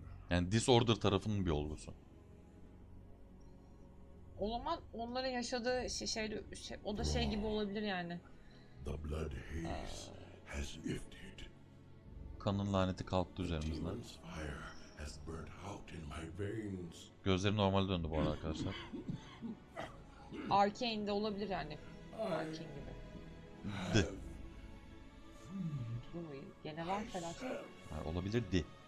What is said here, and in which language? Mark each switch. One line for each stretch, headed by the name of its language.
Turkish: Yani Disorder tarafının bir olgusu. O zaman onların yaşadığı şey, o da şey gibi olabilir yani.
English: The blood haze has lifted.
Turkish: Kanın laneti kalktı üzerimizden.
English: Has burnt out in my veins.
Turkish: Gözleri normal döndü bu arada arkadaşlar. Arcane de olabilir yani. Arcane gibi. Di. Bu mu? Gene var felaket. Yani olabilir di.